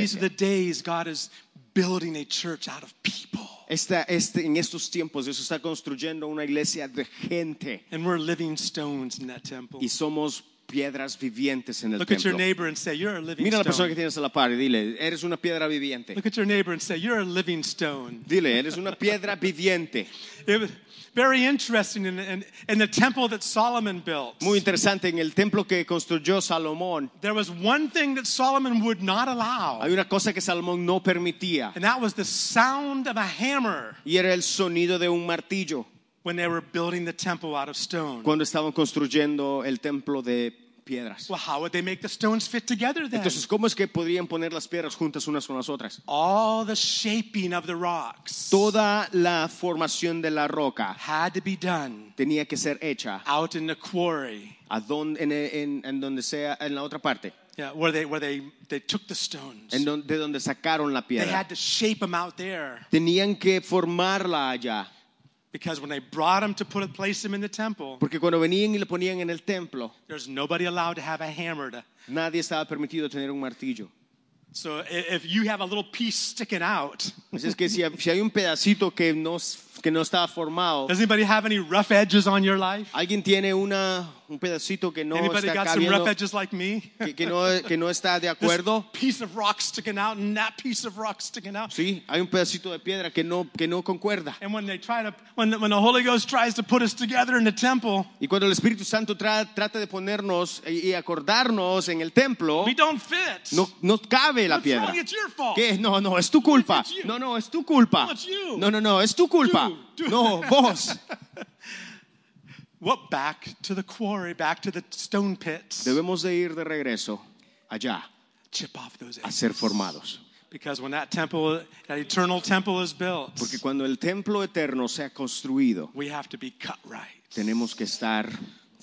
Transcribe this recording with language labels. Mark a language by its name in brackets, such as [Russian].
[English] These are the days God is building a church out of people. [Spanish] En estos tiempos Dios está construyendo una iglesia de gente. [English] And we're living stones in that temple. [Spanish] Y somos piedras vivientes en el [English] Look [Spanish] templo. [English] At your neighbor and say, you're a living [Spanish] Mira [English] stone. [Spanish] A la persona que tienes a la par y dile, eres una piedra viviente. [English] Look at your neighbor and say, you're a living stone. [Spanish] Dile, eres una piedra viviente. [English] Very interesting in the temple that Solomon built. [Spanish] Muy interesante en el templo que construyó Salomón. [English] There was one thing that Solomon would not allow. [Spanish] Hay una cosa que Salomón no permitía. [English] And that was the sound of a hammer. [Spanish] Y era el sonido de un martillo. [English] When they were building the temple out of stone. [Spanish] Cuando estaban construyendo el templo de piedras. [English] Well, how would they make the stones fit together then? [Spanish] Entonces, ¿cómo es que podrían poner las piedras juntas unas con las otras? [English] All the shaping of the rocks. [Spanish] Toda la formación de la roca. [English] Had to be done. [Spanish] Tenía que ser hecha. [English] Out in the quarry. [Spanish] En donde sea, en la otra parte. [English] Yeah, where they took the stones. [Spanish] De donde sacaron la piedra. [English] They had to shape them out there. [Spanish] Tenían que formarla allá. [English] Because when they brought him to put a place him in the temple, [Spanish] porque cuando venían y lo ponían en el templo, [English] there's nobody allowed to have a hammer. [Spanish] Nadie estaba permitido tener un martillo. [English] So if you have a little piece sticking out, [Spanish] es que si hay un pedacito que no está formado, [English] does anybody have any rough edges on your life? [Spanish] Alguien tiene un pedacito que no [English] anybody [Spanish] está cabiendo. [English] Anybody got some rough edges like me? [Spanish] que no está de acuerdo. [English] This piece of rock sticking out and that piece of rock sticking out. [Spanish] Sí, hay un pedacito de piedra que no concuerda. [English] And when they try to when the Holy Ghost tries to put us together in the temple, [Spanish] y cuando el Espíritu Santo trata de ponernos y acordarnos en el templo, [English] we don't fit. [Spanish] No cabe la piedra. [English] It's your fault. [Spanish] ¿Qué? No, es tu culpa. No, es tu culpa. No, es tu culpa. No, vos. [English] What back to the quarry, back to the stone pits. [Spanish] Debemos de ir de regreso allá. [English] Chip off those [Spanish] edges. A ser formados. [English] Because when that temple, that eternal temple is built. [Spanish] Porque cuando el templo eterno sea construido. [English] We have to be cut right. [Spanish] Tenemos que estar formados.